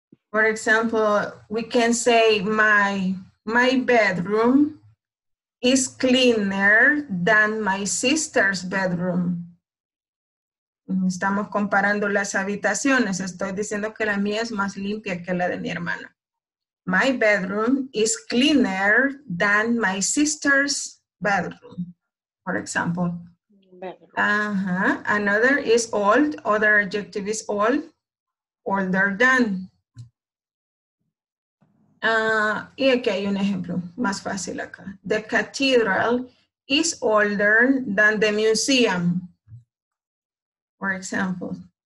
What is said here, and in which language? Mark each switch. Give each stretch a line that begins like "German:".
English: For example, we can say my bedroom is cleaner than my sister's bedroom.
Spanish: Estamos comparando las habitaciones. Estoy diciendo que la mía es más limpia que la de mi hermana.
English: My bedroom is cleaner than my sister's bedroom, for example. Another is old. Other adjective is old. Older than.
Spanish: Y aquí hay un ejemplo más fácil acá.
English: The cathedral is older than the museum, for example.